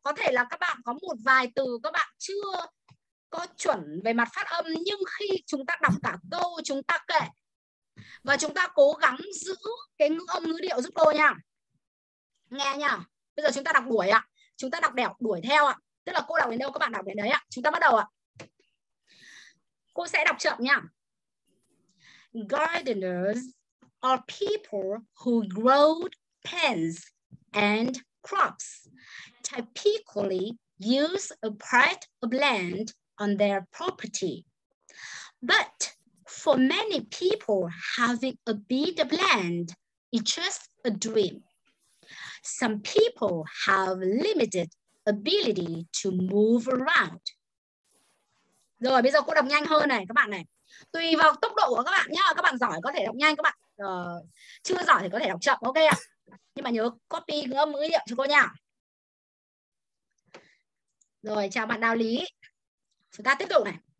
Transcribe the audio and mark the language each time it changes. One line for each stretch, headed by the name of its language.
Vietnamese: Có thể là các bạn có một vài từ các bạn chưa có chuẩn về mặt phát âm, nhưng khi chúng ta đọc cả câu chúng ta kể và chúng ta cố gắng giữ cái ngữ âm ngữ điệu giúp cô nha. Nghe nha. Bây giờ chúng ta đọc đuổi ạ. Chúng ta đọc đẻo đuổi theo ạ. Tức là cô đọc đến đâu các bạn đọc đến đấy ạ. Chúng ta bắt đầu ạ. Cô sẽ đọc chậm nha.
English: Gardeners are people who grow plants and crops. Typically use a part of land on their property. But for many people, having a bit of land It's just a dream. Some people have limited ability to move around.
Vietnamese: Rồi, bây giờ cô đọc nhanh hơn này, các bạn này. Tùy vào tốc độ của các bạn nhá. Các bạn giỏi có thể đọc nhanh, các bạn chưa giỏi thì có thể đọc chậm, ok ạ. Nhưng mà nhớ copy ngâm ngữ liệu cho cô nha. Rồi, chào bạn Đào Lý. Chúng ta tiếp tục này.